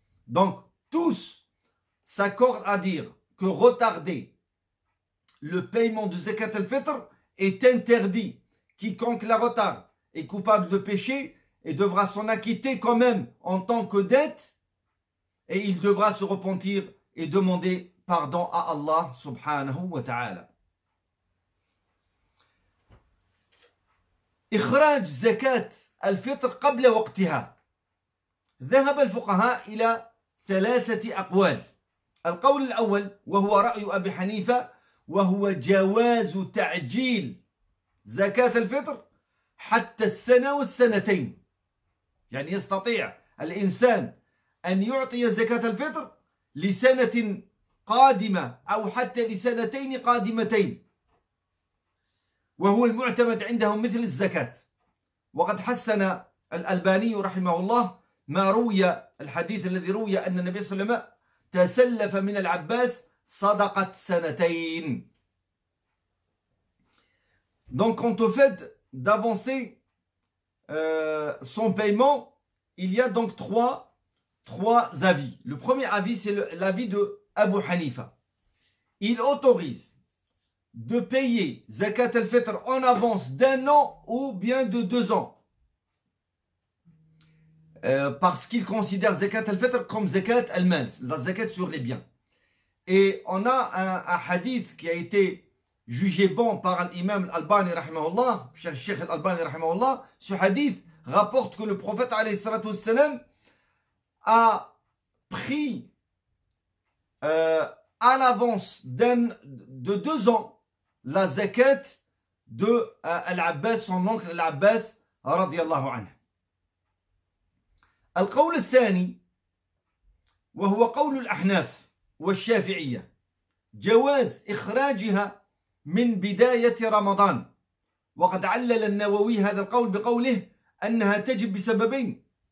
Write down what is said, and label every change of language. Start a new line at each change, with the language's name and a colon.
French: Donc, tous s'accordent à dire que retarder le paiement du zakat al-fitr est interdit. Quiconque la retarde est coupable de péché et devra s'en acquitter quand même en tant que dette, et il devra se repentir et demander pardon à Allah subhanahu wa ta'ala.
Arabic: إخراج زكاة الفطر قبل وقتها. ذهب الفقهاء إلى ثلاثة أقوال. القول الأول وهو رأي أبي حنيفة وهو جواز تعجيل زكاة الفطر حتى السنة والسنتين، يعني يستطيع الإنسان أن يعطي زكاة الفطر لسنة قادمة أو حتى لسنتين قادمتين، وهو المعتمد عندهم مثل الزكاة. وقد حسن الألباني رحمه الله ما روي الحديث الذي روي أن النبي صلى الله عليه وسلم تسلف من العباس صدقة سنتين.
French: Donc quant au fait d'avancer son paiement, il y a donc trois avis. Le premier avis, c'est l'avis de Abu Hanifa. Il autorise de payer Zakat al-Fitr en avance d'un an ou bien de deux ans. Parce qu'il considère Zakat al-Fitr comme Zakat al-Mal, la Zakat sur les biens. Et on a un hadith qui a été jugé bon par l'imam al-Albani, rahimahullah, Cheikh al-Albani, rahimahullah. Ce hadith rapporte que le prophète, alayhi salatu wassalam, a pris à l'avance de deux ans la zakat de Al-Abbas, son oncle Al-Abbas, radiallahu anhu.
Arabic: القول الثاني وهو قول الأحناف والشافعية جواز إخراجها من بداية رمضان. وقد علل النووي هذا القول بقوله أنها تجب بسببين.